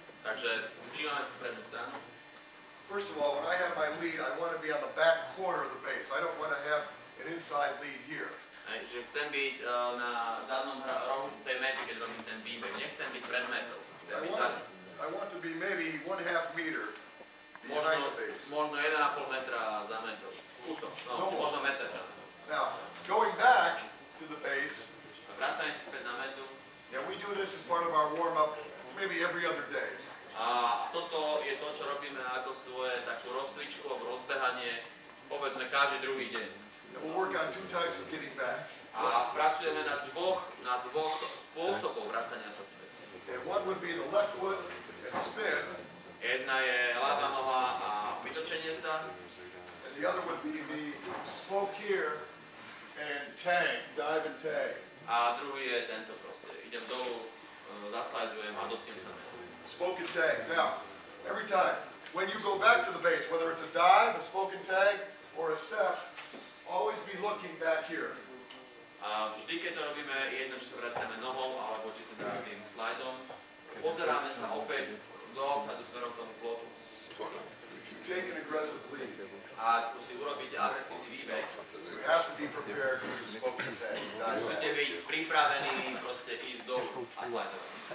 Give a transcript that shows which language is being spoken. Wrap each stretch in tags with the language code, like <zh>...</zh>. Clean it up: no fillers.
<sk>Takže učívame sa prednú stranu.</sk> <en>First of all, when I have my lead, I want to be on the back corner of the base. I don't want to have an inside lead here.</en> <sk>Že chcem byť na zadnom rohu tej mety, keď robím ten výbeh. Nechcem byť pred metou.</sk> <en>I want to be maybe 1.5 meter behind the base.</en> <sk>Možno 1.5 metra za metou. Kusom. No, možno meter za metou.</sk> <en>Now, going back to the base.</en> <sk>Vracame sa späť na metu.</sk> <en>And we do this as part of our warm-up, maybe every other day.</en> <sk>A toto je to, čo robíme ako svoje takú rozcvičku alebo rozbehanie, povedzme, každý druhý deň.</sk> <en>And we'll work on two types of getting back.</en> <sk>A pracujeme na dvoch spôsobov vracania sa späť.</sk> <en>And one would be the left foot and spin.</en> <sk>Jedna je ľavá noha a vytočenie sa.</sk> <en>And the other would be the spoke here and tag, dive and tag.</en> <sk>A druhý je tento proste. Idem dolu, zaslajdujem a dotknem sa metu.</sk> <en>Spoke and tag. Now, every time, when you go back to the base, whether it's a dive, a spoke and tag, or a step, always be looking back here.</en> <sk>A vždy, keď to robíme, jedno, či sa vraciame nohou, alebo či to dáme tým slajdom, pozeráme sa opäť do obsadu smerom k tomu plotu.</sk> <en>If you take an aggressive lead,</en> <sk>a tu si urobíte agresívny výbeh,</sk> <en>you have to be prepared to do spoke and tag.</en> <sk>Musíte byť pripravení proste ísť dolu a slajdovať.</sk>